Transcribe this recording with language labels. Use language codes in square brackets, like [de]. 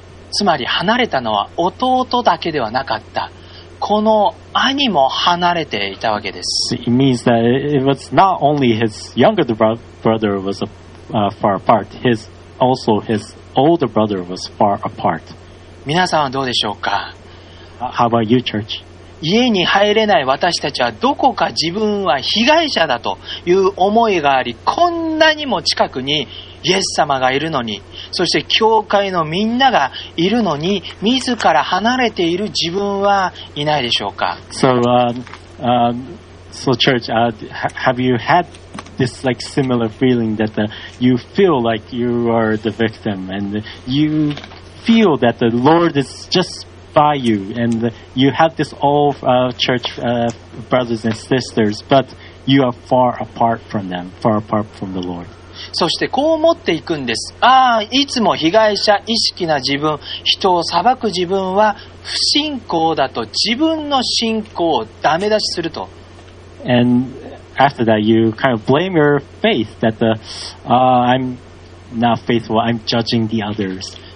[ja] つまり離れたのは弟だけではなかった。この兄も離れていたわけです。 [en] It means that it was not only his younger brother was far apart, also his older brother was far apart. [ja] 皆さんはどうでしょうか? [en] How about you, church? [ja] 家に入れない私たちはどこか自分は被害者だという思いがあり、こんなにも近くにイエス様がいるのに、そして教会のみんながいるのに、自ら離れている自分はいないでしょうか。 [en] So, church, have you had this like similar feeling that you feel like you are the victim and you feel that the Lord is just by you and you have this all church brothers and sisters, but you are far apart from them, far apart from the Lord. [ja] そしてこう思っていくんです。ああ、いつも被害者意識な自分、人を裁く自分は不信仰だと、自分の信仰をダメ出しすると。 [en] And after that, you kind of blame your faith that I'm not faithful, I'm judging the others.